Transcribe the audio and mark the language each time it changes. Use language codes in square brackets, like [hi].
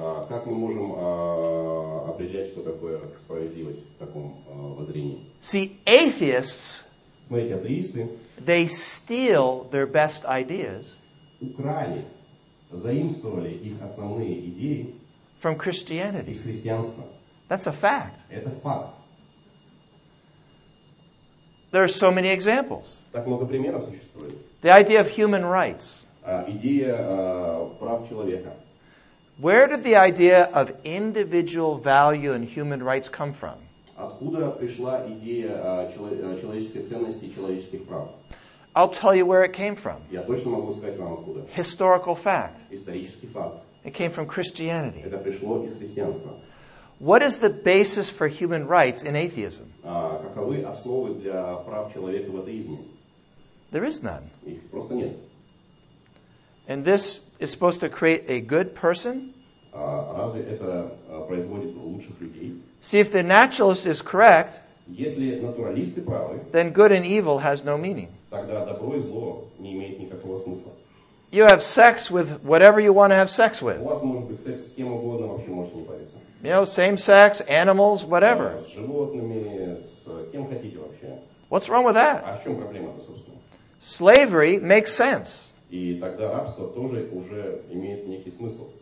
[ru] Как мы можем определять, что такое справедливость в таком воззрении? [en] See, atheists, [ru] смотрите, атеисты, [en] they steal their best ideas, [ru] украли, заимствовали их основные идеи [en] from Christianity. [ru] Из христианства. [en] That's a fact. [ru] Это факт. [en] There are so many examples. [ru] Так много примеров существует. [en] The idea of human rights. [ru] Идея прав человека. [en] Where did the idea of individual value and human rights come from? [ru] Откуда пришла идея человеческой ценности и человеческих прав? [en] I'll tell you where it came from. [ru] Я точно могу сказать вам откуда. [en] Historical fact. [ru] Исторический факт. [en] It came from Christianity. [ru] Это пришло из христианства. [en] What is the basis for human rights in atheism? [ru] Каковы основы для прав человека в атеизме? [en] There is none. [ru] Их просто нет. [en] And this is supposed to create a good person? [ru] Разве это производит лучших людей? [en] See, if the naturalist is correct, [ru] если натуралисты правы, [en] then good and evil has no meaning. [ru] Тогда добро и зло не имеет никакого смысла. [en] You have sex with whatever you want to have sex with. [ru] У вас может быть секс с кем угодно, вообще можете не париться. [en] You know, same sex, animals, whatever. [ru] С животными, с кем хотите вообще. [en] What's wrong with that? [ru] А в чем проблема-то, собственно? [en] Slavery makes sense. [ru] И тогда рабство тоже уже имеет некий смысл.